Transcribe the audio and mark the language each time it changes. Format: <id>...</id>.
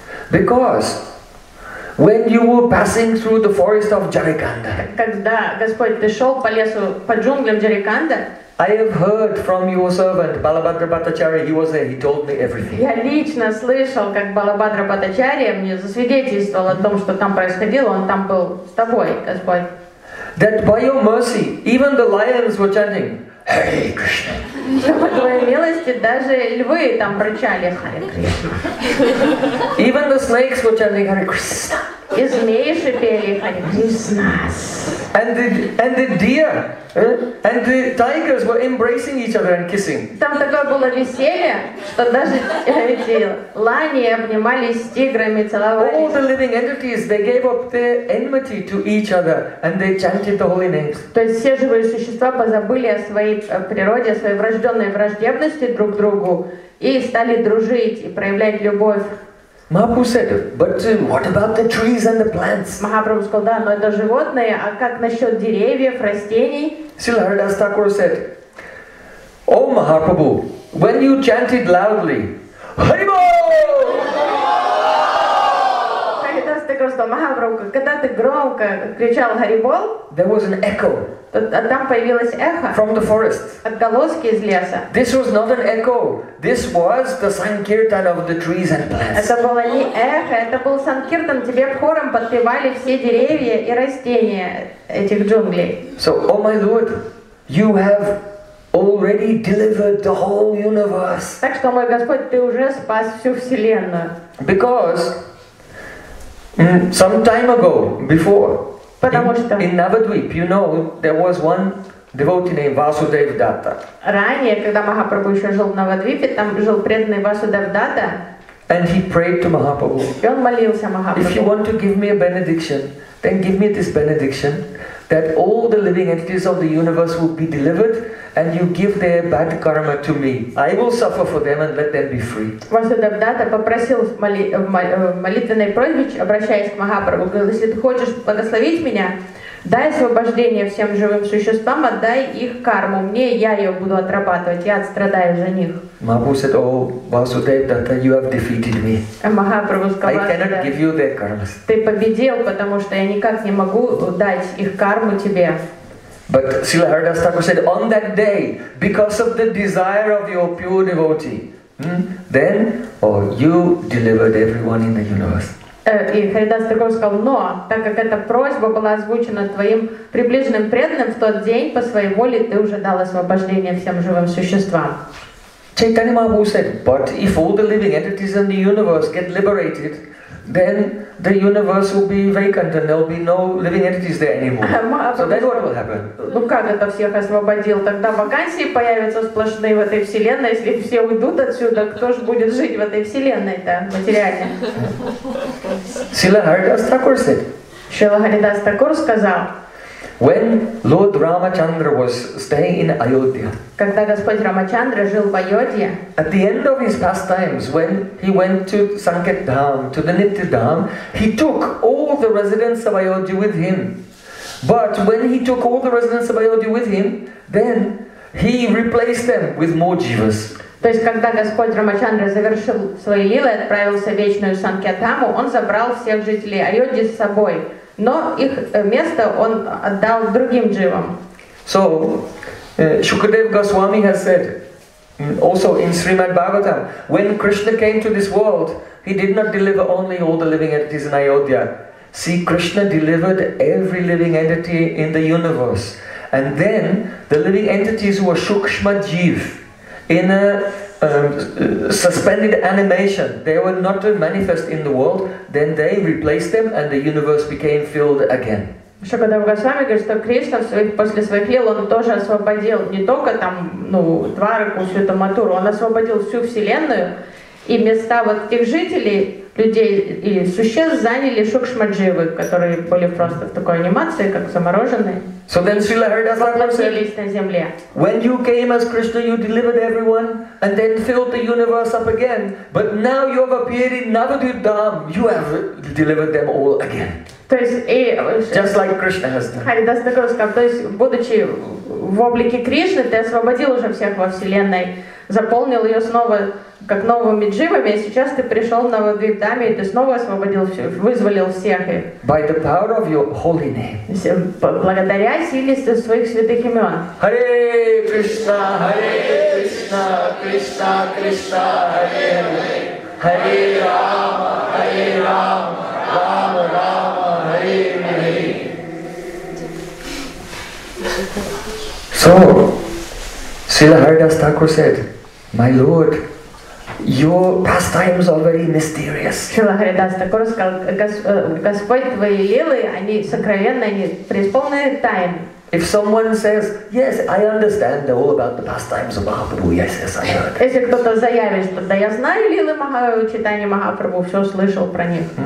<en>Because when you were passing through the forest of Jarikanda,</en> <ru>когда Господь ты шел по лесу, по джунглям Джариканда,</ru> <en>I have heard from your servant, Balabhadra Bhattacharya, he was there, he told me everything.</en> <ru>Я лично слышал, как Балабхадра Бхаттачарья мне засвидетельствовал о том, что там происходило, он там был с тобой, Господь.</ru> <en>That by your mercy, even the lions were chanting, Hare Krishna.</en> <ru>По твоей милости даже львы там рычали Hare Krishna.</ru> <en>Even the snakes were chanting Hare Krishna.</en> <ru>И змеи шипели Hare Krishna.</ru> <en>And the deer and the tigers were embracing each other and kissing.</en> <ru>Там такое было веселье, что даже эти лани обнимались с тиграми, целовались.</ru> <en>All the living entities they gave up their enmity to each other and they chanted the holy names.</en> <ru>То есть все живые существа позабыли о своей природе, о своей врожденной враждебности друг к другу и стали дружить и проявлять любовь.</ru> <en>Mahaprabhu said, but what about the trees and the plants?</en> <ru>Махапрабху сказал, да, но это животные, а как насчет деревьев, растений?</ru> <en>Srila Haridas Thakur said, O Mahaprabhu, when you chanted loudly, Haribo!</en> <ru>Haridas Thakur сказал, Махапрабху, когда ты громко кричал Харибол,</ru> <en>there was an echo.</en> <ru>Там появилось эхо.</ru> <en>From the forest.</en> <ru>Отголоски из леса.</ru> <en>This was not an echo. This was the sankirtan of the trees and plants.</en> <ru>Это было не эхо, это был санкиртан. Тебе хором подпевали все деревья и растения этих джунглей.</ru> <en>So, oh my Lord, you have already delivered the whole universe.</en> <ru>Так что, мой Господь, ты уже спас всю вселенную.</ru> <en>Because some time ago, before.</en> <ru>Потому что</ru> <en>in Navadvip, you know, there was one devotee named Vasudevdatta.</en> <ru>Ранее, когда Махапрабху еще жил на Вадвипе, там жил преданный Васудевдата.</ru> <en>And he prayed to Mahaprabhu.</en> <ru>И он молился Махапрабху.</ru> <en>If you want to give me a benediction, then give me this benediction, that all the living entities of the universe will be delivered, and you give their bad karma to me. I will suffer for them and let them be free.</en> <ru>Васудевдата попросил молитвенной просьбе, обращаясь к Махапрабху, говорил, если ты хочешь благословить меня, дай освобождение всем живым существам, отдай их карму мне, я ее буду отрабатывать, я отстрадаю за них.</ru> <en>Махапрабху said, oh, Васудевдата, you have defeated me. I cannot give you their karmas.</en> <ru>Ты победил, потому что я никак не могу дать их карму тебе.</ru> <en>But Srila Haridasa Thakur said, on that day, because of the desire of your pure devotee, then oh, you delivered everyone in the universe.</en> <ru>И Харидас Тхакур сказал, но так как эта просьба была озвучена твоим приближенным преданным в тот день, по своей воле ты уже дал освобождение всем живым существам.</ru> <en>Чайтанья Махапрабху said, but if all the living entities in the universe get liberated, then the universe will be vacant and there will be no living entities there anymore. So that's what will happen.</en> <ru>Ну как это всех освободил? Тогда вакансии появятся сплошные в этой вселенной. Если все уйдут отсюда, кто же будет жить в этой вселенной-то материально?</ru> <en>Srila Haridas Thakur said.</en> <ru>Srila Haridas Thakur сказал.</ru> <en>When Lord Ramachandra was staying in Ayodhya.</en> <ru>Когда Господь Рамачандра жил в Айодхе.</ru> <en>At the end of his pastimes, when he went to Sanket Dham, to the Nitya Dham, he took all the residents of Ayodhya with him. But when he took all the residents of Ayodhya with him, then he replaced them with more jivas.</en> <ru>То есть, когда Господь Рамачандра завершил свои лилы, отправился в вечную Санкетаму, он забрал всех жителей Айодхи с собой. Но их место он отдал другим дживам.</ru> <en>So, Shukadev Goswami has said, also in Srimad Bhagavatam, when Krishna came to this world, he did not deliver only all the living entities in Ayodhya. See, Krishna delivered every living entity in the universe. And then, the living entities were Shukshma Jeev, in a suspended animation, they were not manifest in the world, then they replaced them and the universe became filled again.</en> <ru>Шагадав Гасвами говорит, что Кришна после своих лил, он тоже освободил не только там, ну, Двараку, Святую Матуру, он освободил всю Вселенную, и места вот тех жителей, людей и существ заняли Шукшмадживы, которые были просто в такой анимации, как замороженные.</ru> <en>So then Srila Haridas Thakur said, when you came as Krishna, you delivered everyone and then filled the universe up again. But now you have appeared in Navadvipdham, you have delivered them all again. Just like Krishna has done.</en> <ru>Haridas Thakur сказал, то есть, будучи в облике Кришны, ты освободил уже всех во Вселенной, заполнил ее снова как новыми дживами, и сейчас ты пришел в Навадвипдхаме, и ты снова освободил всех, вызволил всех.</ru> <en>By the power of your holy name.</en> <ru>Благодаря силе своих святых имен.</ru> <sa>Харе Кришна, Харе Кришна, Кришна Кришна, Харе Харе. Харе Рама, Харе Рама, Рама Рама, Харе Харе.</sa> <en>So, Srila Haridas Thakur said, my Lord, your pastimes are very mysterious.</en> <ru>Srila Haridas Thakur сказал, Господь, твои лилы, они сокровенные, они преисполнены тайн.</ru> <en>If someone says, yes, I understand all about the pastimes of Mahaprabhu, yes, yes, I heard.</en> <ru>Если кто-то заявит, что да, я знаю лилы читания Махапрабху, все слышал про них.</ru>